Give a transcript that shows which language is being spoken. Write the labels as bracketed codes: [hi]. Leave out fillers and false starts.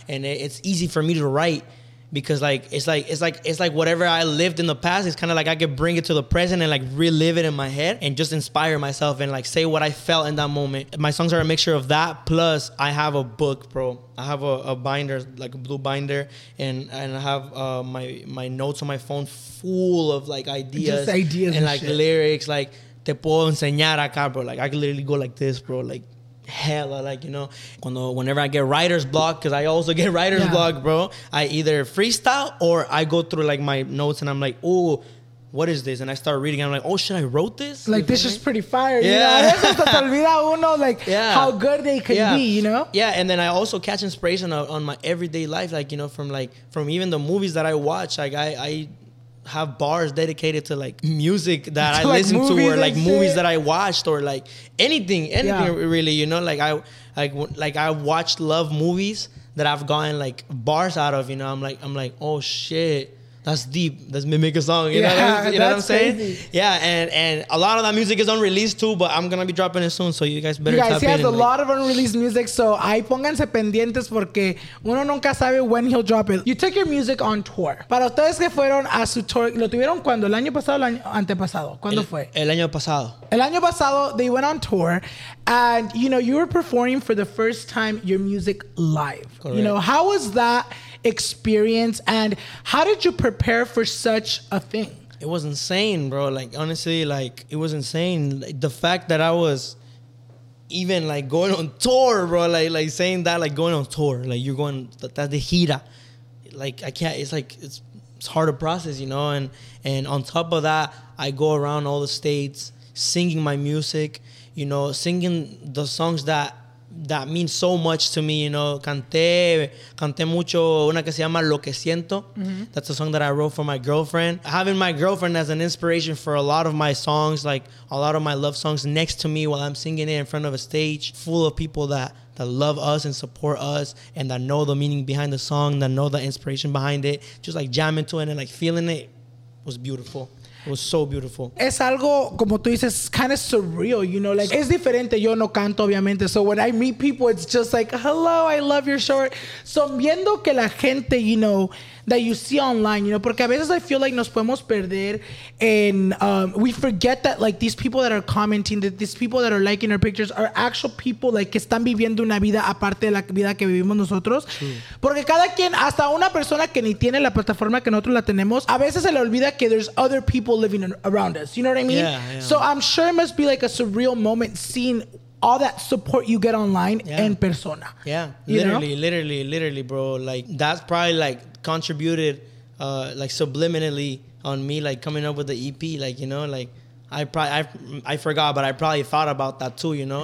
[en] And it's easy for me to write because like it's like whatever I lived in the past, it's kind of like I could bring it to the present and like relive it in my head and just inspire myself and like say what I felt in that moment. My songs are a mixture of that, plus I have a book, bro. I have a binder, like a blue binder, and I have my notes on my phone full of like ideas and shit. Lyrics, like [es] te puedo enseñar acá, bro. [en] Like I can literally go like this, bro. Like hella, like, you know, whenever I get writer's block, because I also get writer's yeah. block, bro, I either freestyle or I go through like my notes and I'm like, oh, what is this? And I start reading. I'm like, oh shit, I wrote this? Like, this is pretty fire. Yeah. You know, like yeah. how good they could yeah. be, you know? Yeah. And then I also catch inspiration on my everyday life, like, you know, from even the movies that I watch. Like I have bars dedicated to like music that I listen to, or like movies that I watched, or like anything yeah. really, you know, like I watched love movies that I've gotten like bars out of, you know. I'm like oh shit, that's deep, let me make a song, you yeah, know, you know what I'm saying, crazy. Yeah. And a lot of that music is unreleased too, but I'm gonna be dropping it soon, so you guys better tap in. He has in a lot of unreleased music, so [es] ahí pónganse pendientes porque uno nunca sabe [en] when he'll drop it. You took your music on tour. [es] Para ustedes que fueron a su tour, ¿lo tuvieron cuando? ¿El año pasado o el año antepasado? ¿Cuándo fue? El año pasado [en] they went on tour and, you know, you were performing for the first time your music live. Correct. You know, how was that experience and how did you prepare for such a thing? It was insane, bro. Like honestly, like it was insane, like, the fact that I was even like going on tour, bro, like saying that, like going on tour, like you're going that the gira, like I can't, it's like it's hard to process, you know. And on top of that, I go around all the states singing my music, you know, singing the songs that means so much to me, you know. [es] Canté mucho una que se llama Lo Que Siento. Mm-hmm. [en] That's a song that I wrote for my girlfriend. Having my girlfriend as an inspiration for a lot of my songs, like a lot of my love songs, next to me while I'm singing it in front of a stage full of people that love us and support us and that know the meaning behind the song, that know the inspiration behind it, just like jamming to it and like feeling it, was beautiful. It was so beautiful. [es] Es algo, como tú dices, [en] kind of surreal, you know? Like, [es] es diferente. Yo no canto, obviamente. [en] So when I meet people, it's just like, hello, I love your short. So [es] viendo que la gente, [en] you know, that you see online, you know, [es] porque a veces [en] I feel like [es] nos podemos perder [en] and we forget that, like, these people that are commenting, that these people that are liking our pictures are actual people, like, [es] que están viviendo una vida aparte de la vida que vivimos nosotros. [en] True. [es] Porque cada quien, hasta una persona que ni tiene la plataforma que nosotros la tenemos, a veces se le olvida que [en] there's other people living around us, you know what I mean? Yeah, yeah. So I'm sure it must be, like, a surreal moment seeing all that support you get online in persona. Literally, bro. Like, that's probably, like, contributed, like, subliminally on me, like, coming up with the EP. Like, you know, like, I forgot, but I probably thought about that too, you know?